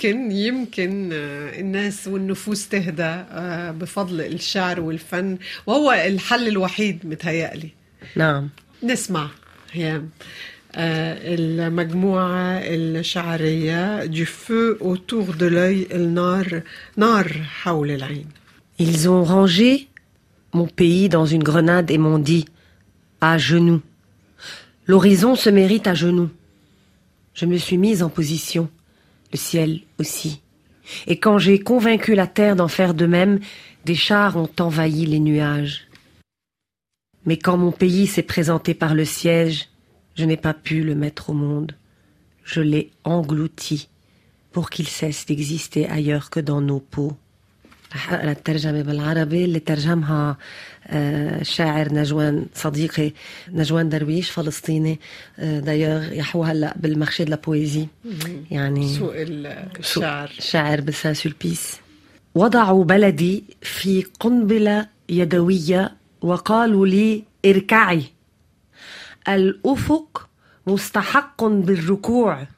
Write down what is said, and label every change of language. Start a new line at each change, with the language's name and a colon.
Arabic: يمكن الناس والنفوس تهدى بفضل الشعر والفن، وهو الحل الوحيد متهيألي. نعم، نسمع هي المجموعة الشعرية
French: du feu autour de l'œil,
Arabic: النار نار حول العين.
French: Ils ont rangé mon pays dans une grenade et m'ont dit à genoux. L'horizon se mérite à genoux. Je me suis mise en position, le ciel aussi. Et quand j'ai convaincu la terre d'en faire de même, des chars ont envahi les nuages. Mais quand mon pays s'est présenté par le siège, je n'ai pas pu le mettre au monde. Je l'ai englouti pour qu'il cesse d'exister ailleurs que dans nos peaux.
Arabic: La ترجمه بالعربي اللي ترجمها شاعر نجوان صديقي نجوان درويش فلسطيني دايور يحو هلا بالمارشي دو لا بويزي، يعني سوق الشعر، شاعر بسان سولبيس. وضعوا بلدي في قنبله يدويه وقالوا لي اركعي، الأفق مستحق بالركوع.